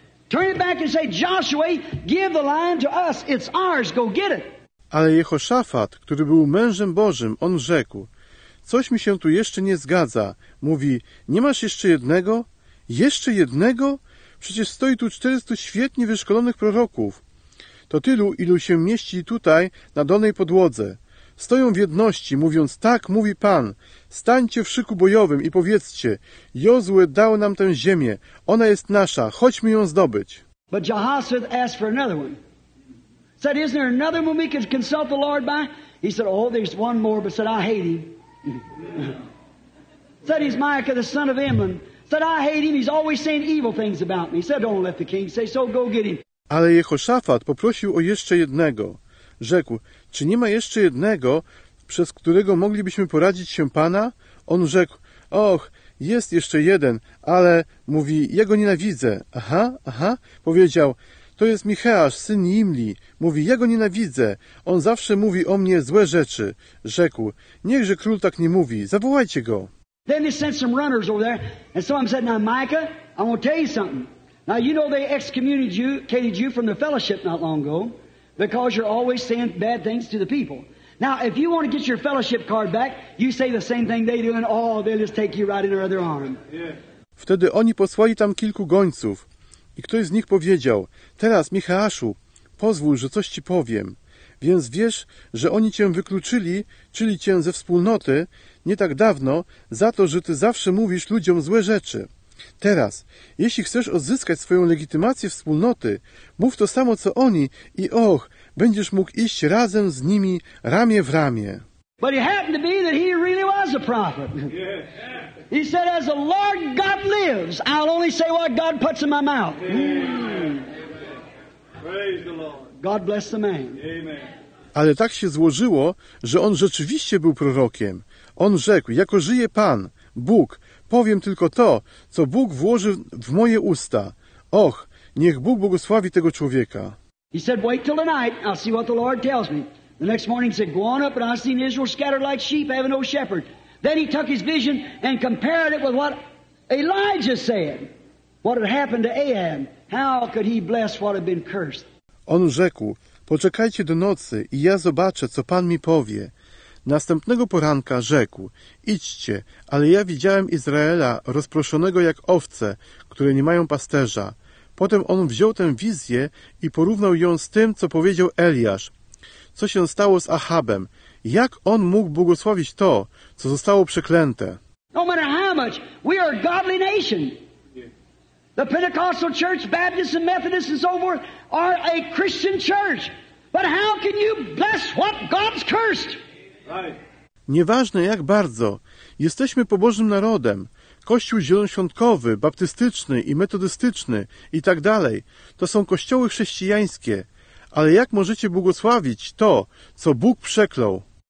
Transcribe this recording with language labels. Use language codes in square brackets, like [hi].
[en] Turn it back and say, Joshua, give the lion to us. It's ours. Go get it. [pl] Ale Jehoszafat, który był mężem Bożym, on rzekł, coś mi się tu jeszcze nie zgadza. Mówi, nie masz jeszcze jednego? Jeszcze jednego? Przecież stoi tu 400 świetnie wyszkolonych proroków. To tylu, ilu się mieści tutaj, na dolnej podłodze. Stoją w jedności, mówiąc, tak mówi Pan, stańcie w szyku bojowym i powiedzcie, Jozue dał nam tę ziemię, ona jest nasza, chodźmy ją zdobyć. [en] But Jehoshaphat asked for another one. Said, isn't there another one we can consult the Lord by? He said, oh, there's one more, but said, I hate him. Said, he's Micah, the son of Imlan. Said, I hate him, he's always saying evil things about me. Said, don't let the king say so, go get him. [pl] Ale Jehoszafat poprosił o jeszcze jednego. Rzekł, czy nie ma jeszcze jednego, przez którego moglibyśmy poradzić się Pana? On rzekł, och, jest jeszcze jeden, ale, mówi, ja go nienawidzę. Aha, aha, powiedział, to jest Micheasz, syn Imli. Mówi, ja go nienawidzę, on zawsze mówi o mnie złe rzeczy. Rzekł, niechże król tak nie mówi, zawołajcie go. [en] Then they sent some runners over there, and someone said, now Micah, I want to tell you something. Now you know they excommunicated you from the fellowship not long ago. Because you're always saying bad things to the people. Now, if you want to get your fellowship card back, you say the same thing they do, and oh, they'll just take you right in their other arm. Yeah. [pl] Wtedy oni posłali tam kilku gońców. I ktoś z nich powiedział, teraz, Michaaszu, pozwól, że coś ci powiem. Więc wiesz, że oni cię wykluczyli, czyli cię ze wspólnoty, nie tak dawno, za to, że ty zawsze mówisz ludziom złe rzeczy. Teraz, jeśli chcesz odzyskać swoją legitymację wspólnoty, mów to samo co oni i och, będziesz mógł iść razem z nimi ramię w ramię. [en] But it happened to be that he really was a prophet. He said, as the Lord God lives, I'll only say what God puts in my mouth. Praise the Lord. God bless the man. Amen. [pl] Ale tak się złożyło, że on rzeczywiście był prorokiem. On rzekł, jako żyje Pan, Bóg, powiem tylko to, co Bóg włoży w moje usta. Och, niech Bóg błogosławi tego człowieka. [en] He said, wait till tonight, I'll see what the Lord tells me. The next morning he said, go on up, and I seen Israel scattered like sheep, having no shepherd. Then he took his vision and compared it with what Elijah said, what had happened to Ahab. How could he bless what had been cursed? [pl] On rzekł, poczekajcie do nocy i ja zobaczę, co Pan mi powie. Następnego poranka rzekł, idźcie, ale ja widziałem Izraela rozproszonego jak owce, które nie mają pasterza. Potem on wziął tę wizję i porównał ją z tym, co powiedział Eliasz. Co się stało z Ahabem? Jak on mógł błogosławić to, co zostało przeklęte? [en] No matter how much, we are a godly nation. The Pentecostal Church, Baptists and Methodists and so forth are a Christian church. But how can you bless what God's cursed? [pl] Nieważne jak bardzo, jesteśmy pobożnym narodem, kościół zielonoświątkowy, baptystyczny i metodystyczny i tak dalej, to są kościoły chrześcijańskie, ale jak możecie błogosławić to, co Bóg przeklął?